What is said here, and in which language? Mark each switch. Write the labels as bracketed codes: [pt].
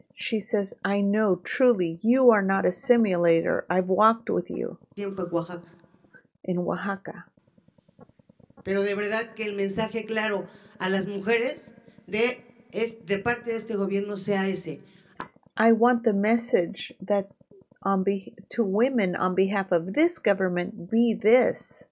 [en] She says, I know truly you are not a simulator. I've walked with you [es] tiempo Oaxaca. [en] In Oaxaca. [es] Pero de verdad que el mensaje claro a las mujeres de parte de este gobierno sea ese. [en] I want the message that to women on behalf of this government be this.